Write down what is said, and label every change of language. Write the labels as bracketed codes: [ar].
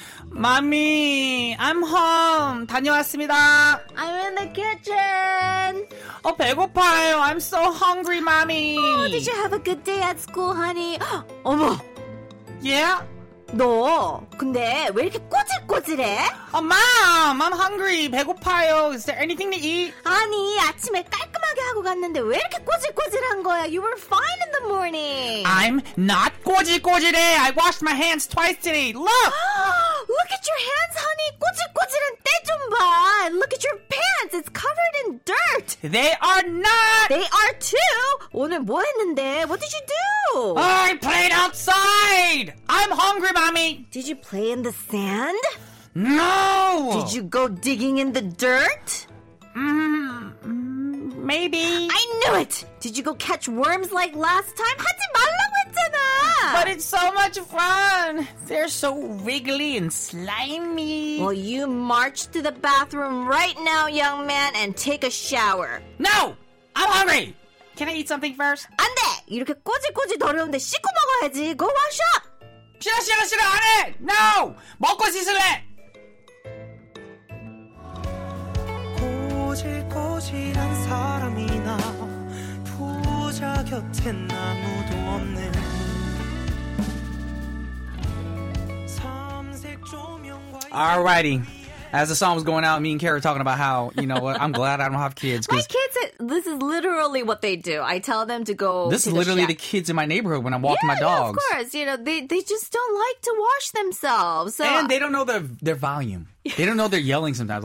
[en] Mommy, I'm home. [ko] 다녀왔습니다. [en] I'm in the kitchen. Oh, [ko] 배고파요. [en] I'm so hungry, Mommy. Oh, did you have a good day at school, honey? [ko] 어머. [en] Yeah? [ko] 너 근데 왜 이렇게 꼬질꼬질해? [en] Oh, Mom, I'm hungry. [ko] 배고파요. [en] Is there anything to eat? [ko] 아니, 아침에 깔끔하게 하고 갔는데 왜 이렇게 꼬질꼬질한 거야? [en] You were fine in the morning. I'm not 꼬질꼬질해. I washed my hands twice today. Look! Look at your hands, honey. [ko] 꼬질꼬질한 때 좀 봐. [en] Look at your pants. It's covered in dirt. They are not. They are too. [ko] 오늘 뭐 했는데? [en] What did you do? I played outside. I'm hungry, Mommy. Did you play in the sand? No! Did you go digging in the dirt? Maybe. I knew it! Did you go catch worms like last time? [ko] 하지 말라고 했잖아! [en] But it's so much fun! They're so wiggly and slimy. Well, you march to the bathroom right now, young man, and take a shower. No! I'm hungry! Can I eat something first? [ko] 안 돼! 이렇게 꼬질꼬질 더러운데 씻고 먹어야지. [en] Go wash up! [ko] 싫어 안 해! No! 먹고 씻을래! 고질고질한 사람이나 부자 곁엔 아무도 없네. 삼색 조명과 [en] Alrighty. As the song was going out, me and Kara were talking about how, you know what, I'm glad I don't have kids. My kids this is literally what they do. I tell them to go. This is literally the kids in my neighborhood when I'm walking my dogs. Yeah, of course. You know, they just don't like to wash themselves. So. And they don't know their volume. They don't know they're yelling sometimes.